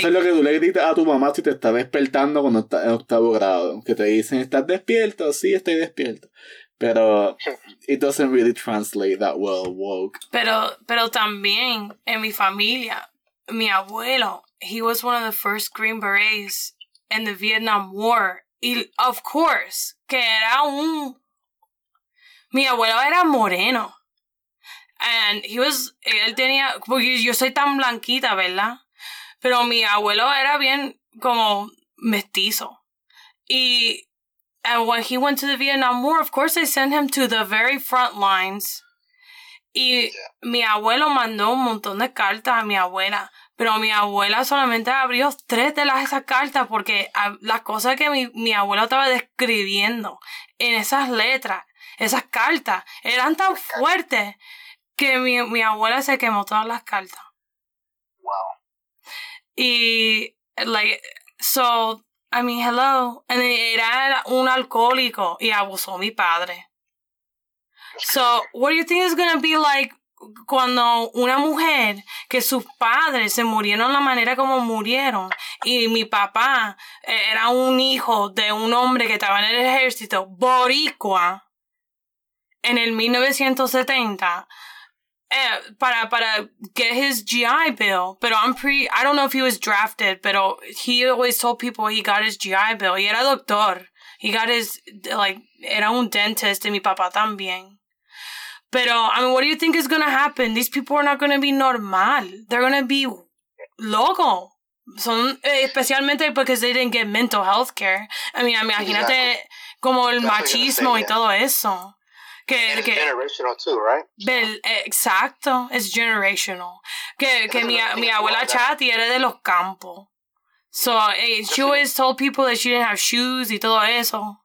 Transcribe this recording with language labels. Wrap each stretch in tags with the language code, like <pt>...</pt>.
<es>eso es lo que tú le dices a tu mamá si te está despertando cuando está en octavo grado. Que te dicen, ¿estás despierto? Sí, estoy despierto. Pero</es> <en>it doesn't really translate that well, woke.</en> <es>Pero también en mi familia, mi abuelo,</es> <en>he was one of the first Green Berets in the Vietnam War.</en> <es>Y</es> <en>of course,</en> <es>que era un... Mi abuelo era moreno.</es> <en>And he was,</en> <es>él tenía, porque yo soy tan blanquita, ¿verdad? Pero mi abuelo era bien como mestizo. Y</es> <en>and when he went to the Vietnam War, of course they sent him to the very front lines.</en> <es>Y mi abuelo mandó un montón de cartas a mi abuela. Pero mi abuela solamente abrió 3 de las esas cartas porque las cosas que mi abuelo estaba describiendo en esas letras, esas cartas, eran tan fuertes. Que mi abuela se quemó todas las cartas.</es> <en>Wow.</en> <es>Y,</es> <en>like, so, I mean, hello. And</en> <es>era un alcohólico y abusó a mi padre.</es> <en>So, what do you think is going to be like</en> <es>cuando una mujer que sus padres se murieron la manera como murieron y mi papá era un hijo de un hombre que estaba en el ejército boricua en el 1970... Para</es> <en>get his GI Bill,</en> <es>pero</es> <en>I don't know if he was drafted, pero he always told people he got his GI Bill.</en> <es>Y era doctor.</es> <en>He got his, like,</en> <es>era un dentist, y mi papá también. Pero,</es> <en>I mean, what do you think is going to happen? These people are not going to be normal. They're going to be loco.</en> <es>Son, especialmente</es> <en>because they didn't get mental health care. I mean,</en> <es>imagínate como el machismo y todo eso. Que</es> <en>generational too, right?</en> <es>Exacto,</es> <en>it's generational.</en> <es>Que mi abuela Chati era de los campos.</es> <en>She always told people that she didn't have shoes</en> <es>y todo eso.</es>